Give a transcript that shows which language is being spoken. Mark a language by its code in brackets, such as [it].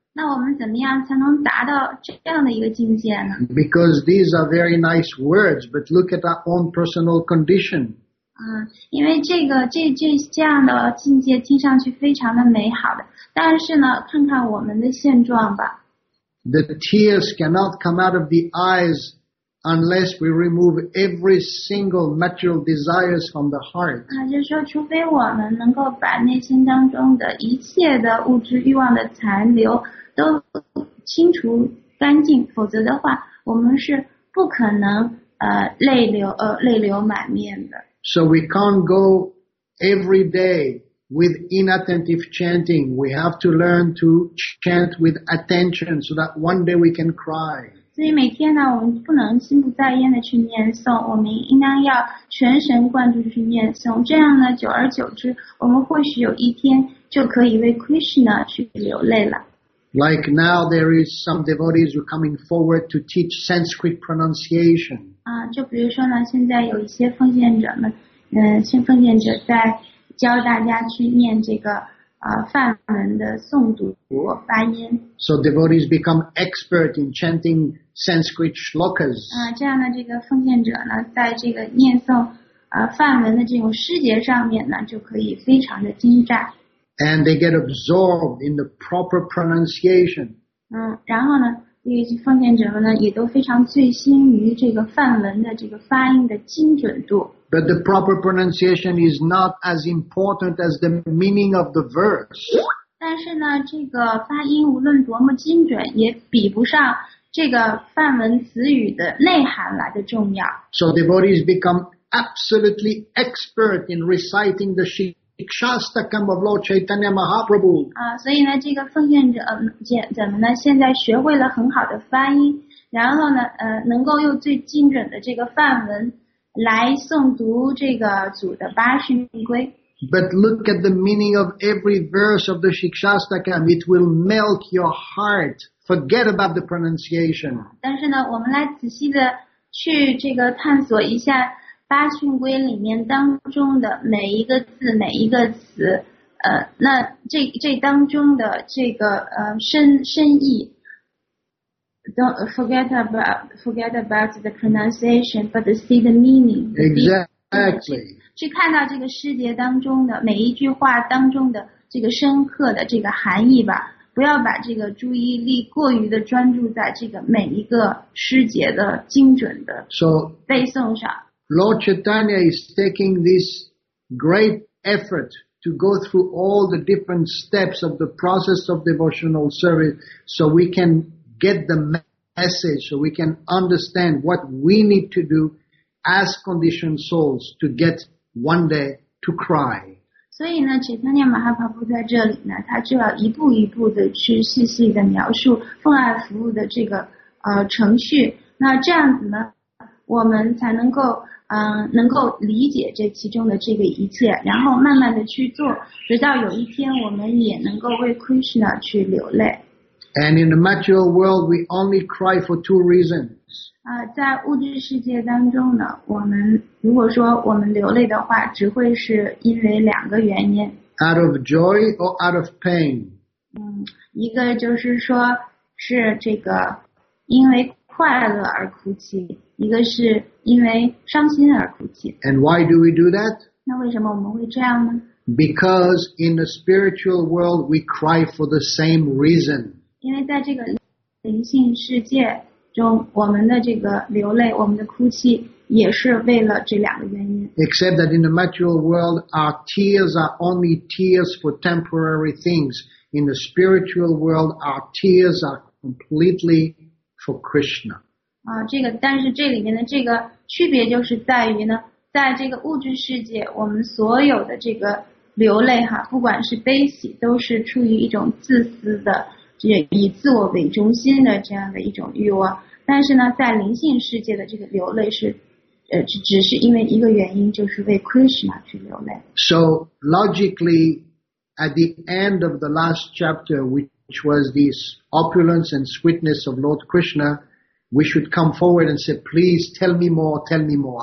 [zh] 那我们怎么样才能达到这样的一个境界呢？ [en] Because these are very nice words, but look at our own personal condition. [zh] 因为这样的境界听上去非常的美好的，但是呢，看看我们的现状吧。 [en] The tears cannot come out of the eyes. Unless we remove every single material desires from the heart. [zh] 就是说除非我们能够把内心当中的一切的物质欲望的残留都清除干净，否则的话我们是不可能泪流满面的。 [en] So we can't go every day with inattentive chanting. We have to learn to chant with attention so that one day we can cry. [zh] 所以每天呢，我们不能心不在焉的去念诵，我们应当要全神贯注去念诵。这样呢，久而久之，我们或许有一天就可以为 Krishna 去流泪了。 [en] Like now, there is some devotees who are coming forward to teach Sanskrit pronunciation. [zh] 就比如说呢，现在有一些奉献者们，奉献者在教大家去念这个。梵文的诵读发音。 [en] So devotees become expert in chanting Sanskrit shlokas. [zh] 这样呢，这个奉献者呢，在这个念诵梵文的这种诗节上面呢，就可以非常的精湛。 [en] And they get absorbed in the proper pronunciation. [zh] 然后呢，这些奉献者们呢，也都非常醉心于这个梵文的这个发音的精准度。 [en] But the proper pronunciation is not as important as the meaning of the verse. [zh] 但是呢，这个发音无论多么精准，也比不上这个梵文词语的内涵来的重要。 [en] So devotees become absolutely expert in reciting the Shikshastakam of Lord Chaitanya Mahaprabhu. [zh] 所以呢，这个奉献者怎么呢？现在学会了很好的发音，然后呢，能够用最精准的这个梵文。来诵读这个组的八十密规。 [en] But look at the meaning of every verse of the Shikshastakam. It will melt your heart. Forget about the pronunciation. [zh] 但是呢，我们来仔细的去这个探索一下八十密规里面当中的每一个字、每一个词。那这当中的这个深意。 [en] Don't forget about the pronunciation, but see the meaning. Exactly. [zh] 去看到这个诗节当中的每一句话当中的这个深刻的这个含义吧。不要把这个注意力过于的专注在这个每一个诗节的精准的背诵上。 [en] So, Lord Chaitanya is taking this great effort. To go through all the different steps of the process of devotional service so we can get the message, so we can understand what we need to do as conditioned souls to get one day to cry. [zh] 所以呢，齐天念马哈帕布在这里呢，他就要一步一步的去细细的描述奉爱服务的这个程序。那这样子呢，我们才能够能够理解这其中的这个一切，然后慢慢的去做，直到有一天我们也能够为 Krishna 去流泪。 [en] And in the material world, we only cry for two reasons. [zh] 在物质世界当中呢，我们如果说我们流泪的话，只会是因为两个原因。 [en] Out of joy or out of pain. [zh] 一个就是说是这个因为快乐而哭泣，一个是因为伤心而哭泣。 [en] And why do we do that? [zh] 那为什么我们会这样呢？ [en] Because in the spiritual world, we cry for the same reason. [zh] 因为在这个灵性世界中，我们的这个流泪，我们的哭泣，也是为了这两个原因。 [en] Except that in the material world, our tears are only tears for temporary things. In the spiritual world, our tears are completely for Krishna. [zh] 这个，但是这里面的这个区别就是在于呢，在这个物质世界，我们所有的这个流泪哈，不管是悲喜，都是出于一种自私的。以自我为中心的这样的一种欲望，但是呢，在灵性世界的这个流泪是，只是因为一个原因，就是为 Krishna 去流泪。 [en] So logically, at the end of the last chapter, which was this opulence and sweetness of Lord Krishna, we should come forward and say, "Please tell me more, tell me more.